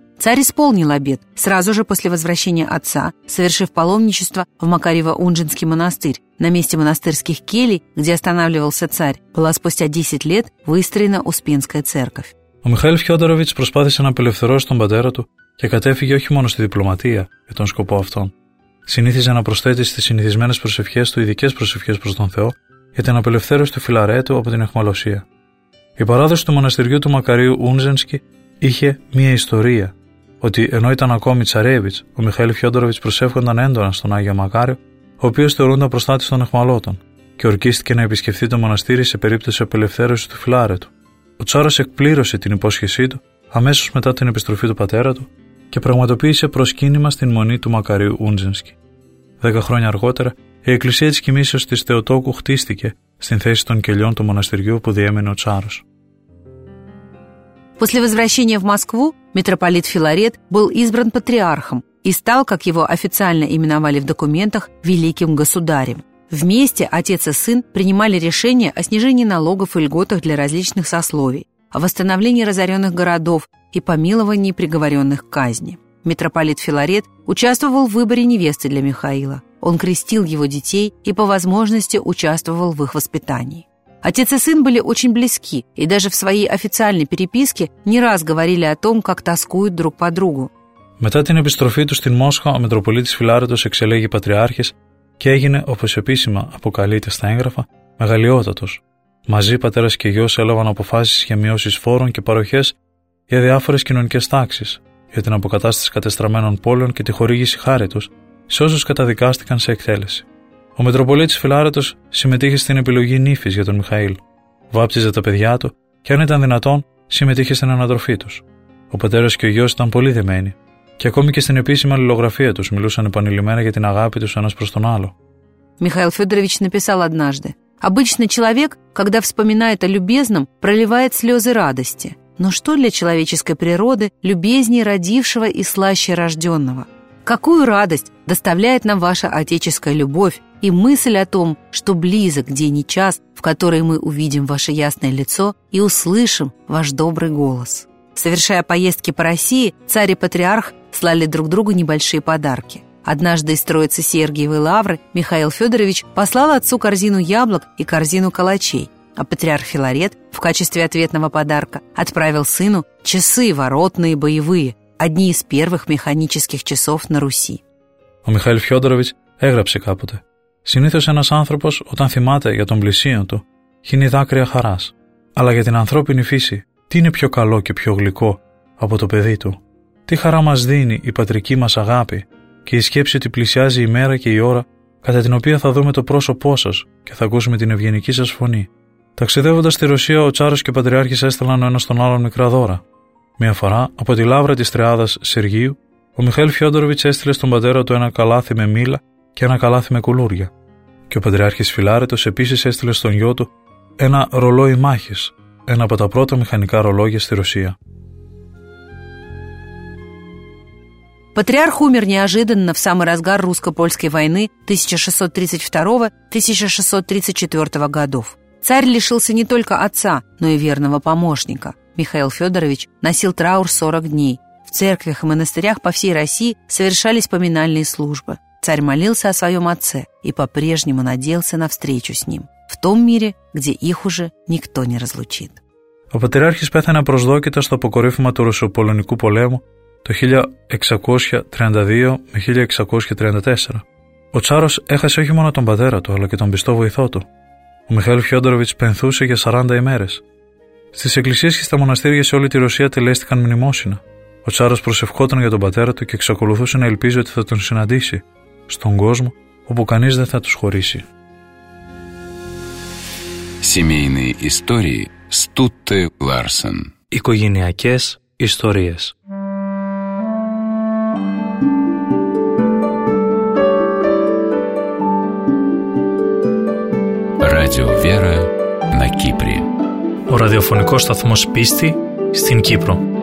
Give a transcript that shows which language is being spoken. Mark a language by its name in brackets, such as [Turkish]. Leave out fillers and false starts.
[Russian] Царь исполнил обет сразу же после возвращения отца, совершив паломничество в Макарьево-Унжинский монастырь. На месте монастырских келий, где останавливался царь, была спустя 10 лет выстроена Успенская церковь. [Greek] Ο Μιχαήλ Φιόντοροβιτς προσπάθησε να απελευθερώσει τον πατέρα του και κατέφυγε όχι μόνο στη διπλωματία για τον σκοπό αυτόν. Συνήθιζε να προσθέτει στις συνηθισμένες προσευχές του ειδικές προσευχές προς τον Θεό για την απελευθέρωση του Φιλαρέτου από την αιχμαλωσία. Η παράδοση του μοναστηριού του Μακαρίου Ούνζενσκι είχε μία ιστορία, ότι ενώ ήταν ακόμη Τσαρέβιτς, ο Μιχαήλ Φιόντοροβιτς προσεύχονταν έντονα στον Άγιο Μακάριο, ο οποίος θεωρούνταν προστάτης των αιχμαλώτων, και ορκίστηκε να επισκεφθεί το μοναστήρι σε περίπτωση απελευθέρωση του Φιλαρέτου. Ο τσάρος εκπλήρωσε την υπόσχεσή του αμέσως μετά την επιστροφή του πατέρα του και πραγματοποίησε προσκύνημα στην μονή του Μακαρίου Ούντζενσκι. 10 χρόνια αργότερα, η εκκλησία της κοιμήσεως της Θεοτόκου χτίστηκε στην θέση των κελιών του μοναστηριού που διέμενε ο τσάρος. [Russian] После возвращения в Москву митрополит Филарет был избран патриархом и стал, как его официально именовали в документах, великим государем. Вместе отец и сын принимали решение о снижении налогов и льготах для различных сословий, о восстановлении разоренных городов и помиловании приговоренных к казни. Митрополит Филарет участвовал в выборе невесты для Михаила. Он крестил его детей и по возможности участвовал в их воспитании. Отец и сын были очень близки и даже в своей официальной переписке не раз говорили о том, как тоскуют друг по другу. [Greek] Μετά την επιστροφή του στην Μόσχα, ο Μητροπολίτης Φιλάρετος εξελέγει πατριάρχες και έγινε, όπως επίσημα αποκαλείται στα έγγραφα, μεγαλειότατος. Μαζί πατέρας και γιος έλαβαν αποφάσεις για μειώσεις φόρων και παροχές για διάφορες κοινωνικές τάξεις, για την αποκατάσταση κατεστραμμένων πόλεων και τη χορήγηση χάρη τους σε όσους καταδικάστηκαν σε εκτέλεση. Ο Μητροπολίτης Φιλάρετος συμμετείχε στην επιλογή νύφης για τον Μιχαήλ, βάπτιζε τα παιδιά του και αν ήταν δυνατόν, συμμετείχε στην ανατροφή τους. Ο πατέρας και ο γιος ήταν πολύ δεμένοι. Και ακόμη και στην επίσημη αλληλογραφία τους μιλούσαν επανειλημμένα για την αγάπη τους ένας προς τον άλλο. [Russian] Михаил Федорович написал однажды: «Обычный человек, когда вспоминает о любезном, проливает слезы радости. Но что для человеческой природы любезней родившего и слаще рожденного? Какую радость доставляет нам ваша отеческая любовь и мысль о том, что близок день и час, в который мы увидим ваше ясное лицо и услышим ваш добрый голос». Совершая поездки по России, царь и патриарх слали друг другу небольшие подарки. Однажды из Троицы Сергиевой лавры Михаил Федорович послал отцу корзину яблок и корзину калачей, а патриарх Филарет в качестве ответного подарка отправил сыну часы воротные боевые, одни из первых механических часов на Руси. [Greek] Ο Михαήλ Φιόδωροβιτς έγραψε κάποτε: «Συνήθως ένας άνθρωπος, όταν θυμάται για τον πλησίον του, χύνει δάκρυα χαράς. Αλλά για την ανθρώπινη φύση, τι είναι πιο καλό και πιο γλυκό από το παιδί του? Τι χαρά μας δίνει η πατρική μας αγάπη και η σκέψη ότι πλησιάζει η μέρα και η ώρα κατά την οποία θα δούμε το πρόσωπό σας και θα ακούσουμε την ευγενική σας φωνή». Ταξιδεύοντας στη Ρωσία, ο Τσάρος και ο Πατριάρχης έστελναν ο ένας τον άλλον μικρά δώρα. Μία φορά, από τη λαύρα της Τριάδας Σεργίου, ο Μιχαήλ Φιόντοροβιτς έστειλε στον πατέρα του ένα καλάθι με μήλα και ένα καλάθι με κουλούρια. Και ο Πατριάρχης Φιλάρετος επίσης έστειλε στον γιο του ένα ρολόι μάχης, ένα από τα πρώτα μηχανικά ρολόγια στη Ρωσία. [Russian] Патриарх умер неожиданно в самый разгар русско-польской войны 1632-1634 годов. Царь лишился не только отца, но и верного помощника. Михаил Федорович носил траур 40 дней. В церквях и монастырях по всей России совершались поминальные службы. Царь молился о своем отце и по-прежнему надеялся на встречу с ним в том мире, где их уже никто не разлучит. [Greek] Ο Патриархης πέθανε προσδόκητα στο αποκορύφωμα του Ρωσοπολωνικού πολέμου το 1632-1634. Ο Τσάρος έχασε όχι μόνο τον πατέρα του, αλλά και τον πιστό βοηθό του. Ο Μιχαήλ Φιόντοροβιτς πενθούσε για 40 ημέρες. Στις εκκλησίες και στα μοναστήρια σε όλη τη Ρωσία τελέστηκαν μνημόσυνα. Ο Τσάρος προσευχόταν για τον πατέρα του και εξακολουθούσε να ελπίζει ότι θα τον συναντήσει στον κόσμο όπου κανείς δεν θα τους χωρίσει. [Russian] Семейные истории Стутте Ларсен. [Greek] Οικογενειακές ιστορίες. [Russian] Радио Вера на Кипре. [Greek] Ο ραδιοφωνικός σταθμός πίστη στην Κύπρο.